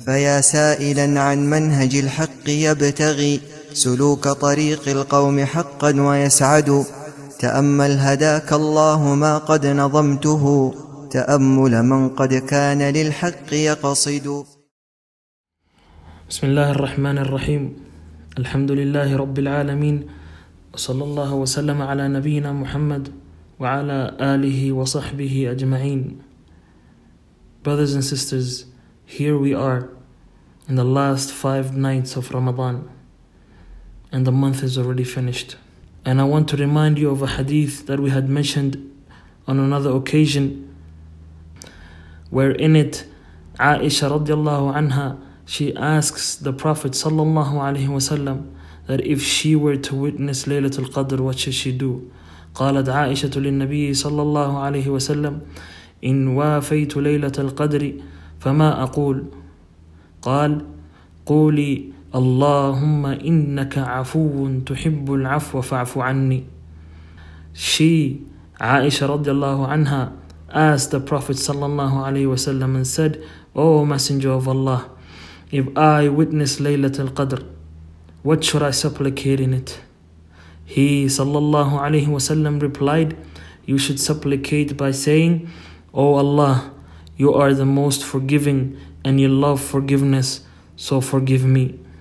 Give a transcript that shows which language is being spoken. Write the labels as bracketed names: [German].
[Arabic] فيا سائلا عن منهج الحق يبتغي سلوك طريق القوم حقا ويسعد تأمل هداك الله ما قد نظمته تأمل من قد كان للحق يقصد. بسم الله الرحمن الرحيم. الحمد لله رب العالمين، صلى الله وسلم على نبينا محمد وعلى آله وصحبه أجمعين. [English] Brothers and sisters, here we are in the last 5 nights of Ramadan, and the month is already finished. And I want to remind you of a hadith that we had mentioned on another occasion, where in it Aisha [Arabic] radiallahu anha, [English] she asks the Prophet [Arabic] sallallahu alaihi wasallam [English] that if she were to witness Laylatul Qadr, what should she do? [Arabic] قالت عائشة للنبي صلى الله عليه وسلم إن وافيت ليلة القدر فما أقول؟ قال قولي اللهم إنك عفو تحب العفو فاعف عني. [English] She, عائشة [Arabic] رضي الله عنها, [English] asked the Prophet [Arabic] صلى الله عليه وسلم [English] and said, Oh Messenger of Allah, if I witness ليلة القدر, what should I supplicate in it? He [Arabic] sallallahu alayhi wa sallam [English] replied, you should supplicate by saying, O Allah, you are the most forgiving and you love forgiveness, so forgive me.